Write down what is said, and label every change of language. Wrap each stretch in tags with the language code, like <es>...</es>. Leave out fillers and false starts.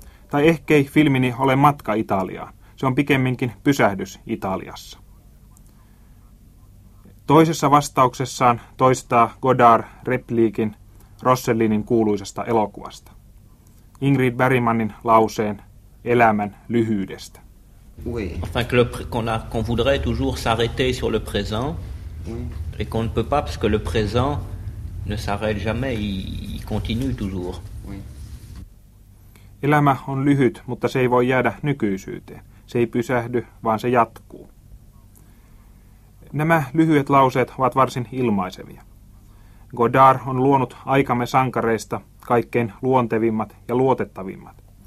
<fi>Tai ehkä ei filmini ole matka Italiaan. Se on pikemminkin pysähdys Italiassa. Toisessa vastauksessaan toistaa Godard repliikin Rossellinin kuuluisesta elokuvasta. Ingrid Bergmanin lauseen elämän lyhyydestä.</fi> <fr>Oui. Enfin, qu'on voudrait toujours s'arrêter sur le présent, oui. Et qu'on ne peut pas parce que le présent ne s'arrête jamais, il continue toujours. Oui.</fr> <fi>Elämä on lyhyt, mutta se ei voi jäädä nykyisyyteen. Se ei pysähdy, vaan se jatkuu. Nämä lyhyet lauseet ovat varsin ilmaisevia. Godard on luonut aikamme sankareista kaikkein luontevimmat ja luotettavimmat.</fi>